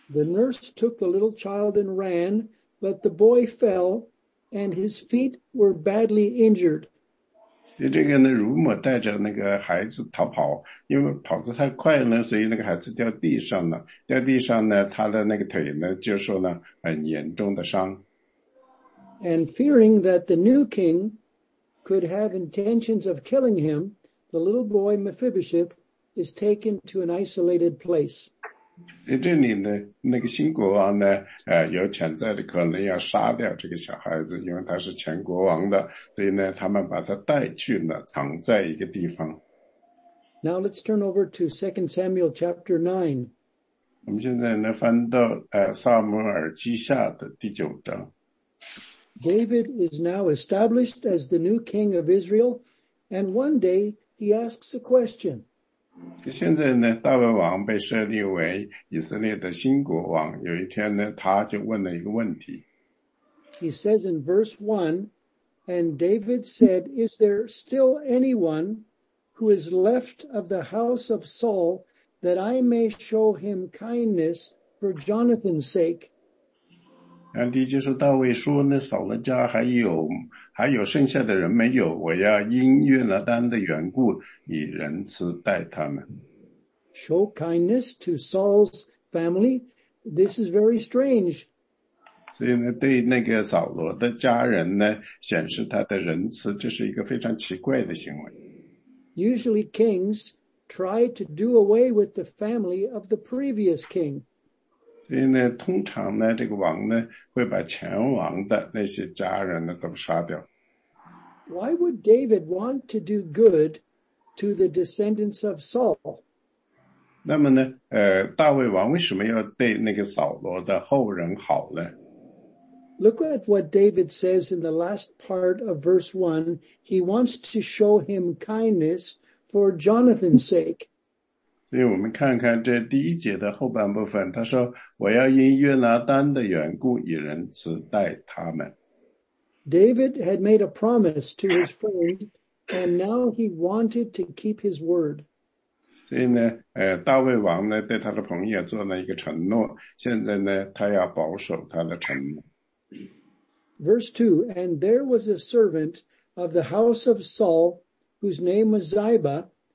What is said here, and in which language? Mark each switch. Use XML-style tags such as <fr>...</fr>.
<en>The nurse took the little child and ran but the boy fell and his feet were badly injured</en> <zh>这个呢乳母带着那个孩子逃跑因为跑得太快了所以那个孩子掉地上了掉地上呢他的那个腿呢就受了很严重的伤。</zh> <en>And fearing that the new king could have intentions of killing him, the little boy Mephibosheth is taken to an isolated place.</en> <zh>这里呢，那个新国王呢，有潜在的可能要杀掉这个小孩子，因为他是前国王的，所以呢，他们把他带去了，藏在一个地方。</zh> <en>Now let's turn over to 2 Samuel chapter 9.</en> <zh>我们现在呢，翻到撒母耳记下的第九章。</zh> <en>David is now established as the new king of Israel, and one day he asks a question.</en> <zh>现在呢，大卫王被设立为以色列的新国王，有一天呢，他就问了一个问题。</zh> <en>He says in verse 1, and David said, is there still anyone who is left of the house of Saul that I may show him kindness for Jonathan's sake?</en> <zh>然后第一节说大卫说呢扫罗家还有剩下的人没有我要因约拿单的缘故以仁慈待他们。</zh> <en>Show kindness to Saul's family. This is very strange.</en> <zh>所以呢对那个扫罗的家人呢显示他的仁慈这是一个非常奇怪的行为。</zh> <en>Usually kings try to do away with the family of the previous king.</en> <zh>所以呢，通常呢，这个王呢会把前王的那些家人呢都杀掉。</zh> <en>Why would David want to do good to the descendants of Saul?</en> <zh>那么呢，大卫王为什么要对那个扫罗的后人好呢</zh> <en>？Look at what David says in the last part of verse 1. He wants to show him kindness for Jonathan's sake.</en> <zh>所以我们看看这第一节的后半部分，他说：“我要因约拿单的缘故，以仁慈待他们。”</zh> <en>David had made a promise to his friend, and now he wanted to keep his word.</en> <zh>所以呢，大卫王呢对他的朋友做了一个承诺，现在呢他要保守他的承诺。</zh> <en>Verse 2, and there was a servant of the house of Saul, whose name was Ziba.</en>